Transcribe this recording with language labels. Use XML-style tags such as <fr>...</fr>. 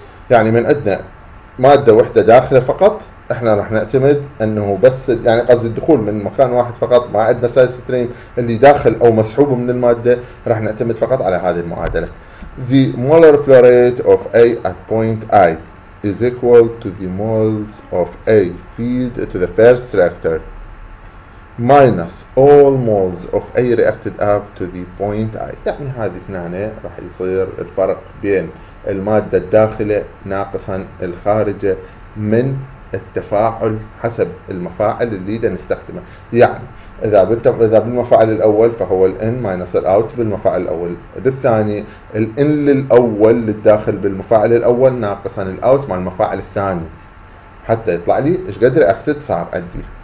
<ar>يعني من عندنا مادة واحدة داخلة فقط احنا راح نعتمد انه بس يعني قصدي الدخول من مكان واحد فقط مع عندنا سايز ستريم اللي داخل او مسحوب من المادة راح نعتمد فقط على هذه المعادلة.</ar> <en>The molar flow rate of A at point I is equal to the moles of A feed to the first reactor minus all moles of A reacted up to the point I.</en> <ar>يعني هذه اثنان راح يصير الفرق بين المادة الداخلة ناقصا الخارجة من التفاعل حسب المفاعل اللي دا نستخدمه. يعني اذا بالمفاعل الاول فهو الان ماينس الاوت بالمفاعل الاول، بالثاني الان للاول للداخل بالمفاعل الاول ناقصا الاوت مع المفاعل الثاني حتى يطلع لي ايش قدر اكتد صار عندي.</ar>